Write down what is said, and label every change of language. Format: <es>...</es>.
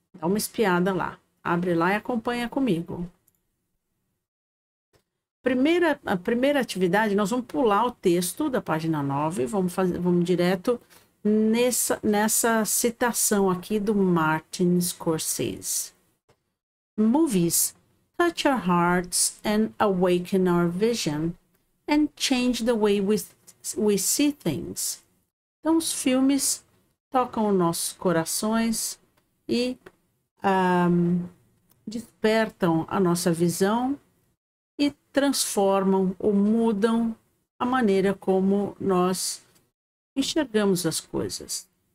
<pt>Dá uma espiada lá. Abre lá e acompanha comigo. A primeira atividade, nós vamos pular o texto da página 9 e vamos direto nessa citação aqui do Martin Scorsese.</pt> <en>Movies touch our hearts and awaken our vision and change the way we see things.</en> <pt>Então, os filmes tocam nossos corações e despertam a nossa visão e transformam ou mudam a maneira como nós enxergamos as coisas.</pt>